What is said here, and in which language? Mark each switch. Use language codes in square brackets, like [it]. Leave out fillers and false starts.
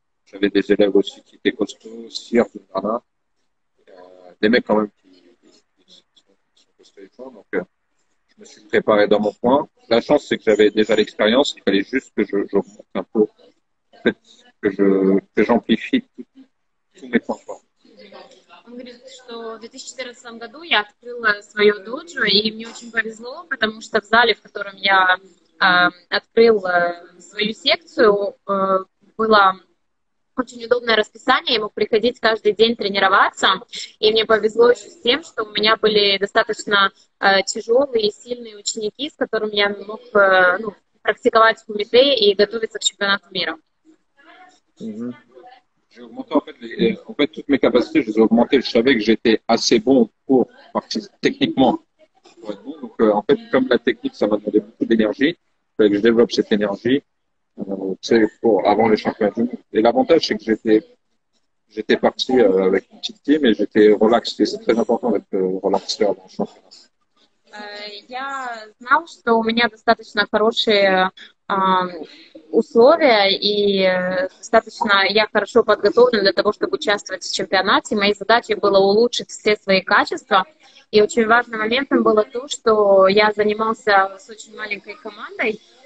[fr] J'avais des élèves aussi qui étaient costauds, Sir, tout ça là. Des mecs quand même qui sont costauds et forts. Donc, je me suis préparé dans mon coin. La chance, c'est que j'avais déjà l'expérience. Il fallait juste que je monte un peu. En fait, que j'amplifie tous mes points forts. [ru] Он говорит, что в 2014 году я открыл свое доджо, и мне очень повезло, потому что в зале, в котором я открыл свою секцию, было очень удобное расписание, я мог приходить каждый день тренироваться, и мне повезло еще с тем, что у меня были достаточно тяжелые и сильные ученики, с которыми я мог практиковать в кумите и готовиться к чемпионату мира. [fr] J'ai augmenté en fait toutes mes capacités, je les ai augmentées. Je savais que j'étais assez bon pour partir techniquement. Donc, en fait, comme la technique, ça m'a demandé beaucoup d'énergie, il fallait que je développe cette énergie pour avant les championnats du monde. Et l'avantage, c'est que j'étais parti avec une petite team et j'étais relax. C'est très important d'être relaxé avant le championnat. [ru] Я знал, что у меня достаточно хорошие условия, и достаточно я хорошо подготовлен для того, чтобы участвовать в чемпионате. Моей задачей было улучшить все свои качества. И очень важным моментом было то, что я занимался с очень маленькой командой.